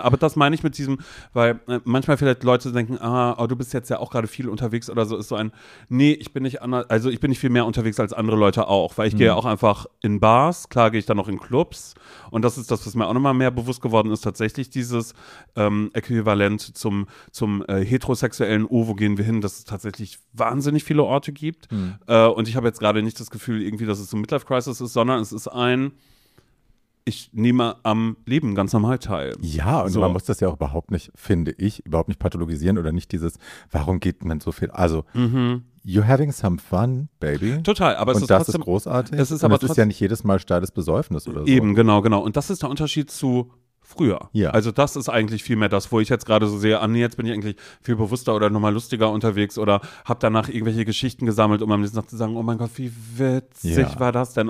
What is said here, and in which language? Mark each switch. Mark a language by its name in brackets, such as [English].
[German] Aber das meine ich mit diesem, weil manchmal vielleicht Leute denken, ah, oh, du bist jetzt ja auch gerade viel unterwegs oder so, ist so ein, nee, ich bin nicht anders, also ich bin nicht viel mehr unterwegs als andere Leute auch, weil ich gehe ja auch einfach in Bars, klar gehe ich dann auch in Clubs und das ist das, was mir auch nochmal mehr bewusst geworden ist, tatsächlich dieses Äquivalent zum heterosexuellen, oh, wo gehen wir hin, dass es tatsächlich wahnsinnig viele Orte gibt und ich habe jetzt gerade nicht das Gefühl irgendwie, dass es so ein Midlife-Crisis ist, sondern es ist ein, ich nehme am Leben ganz normal teil. Ja, und so. Man muss das ja auch überhaupt nicht, finde ich, überhaupt nicht pathologisieren oder nicht dieses, warum geht man so viel? Also, [English] you're having some fun, baby. [German] Total, aber und es ist trotzdem... Und das ist großartig. Es ist und aber es ist ja nicht jedes Mal steiles Besäufnis oder so. Eben, genau. Und das ist der Unterschied zu früher. Ja. Also das ist eigentlich viel mehr das, wo ich jetzt gerade so sehe, ah nee, jetzt bin ich eigentlich viel bewusster oder nochmal lustiger unterwegs oder habe danach irgendwelche Geschichten gesammelt, um am nächsten Tag zu sagen, oh mein Gott, wie witzig war das denn?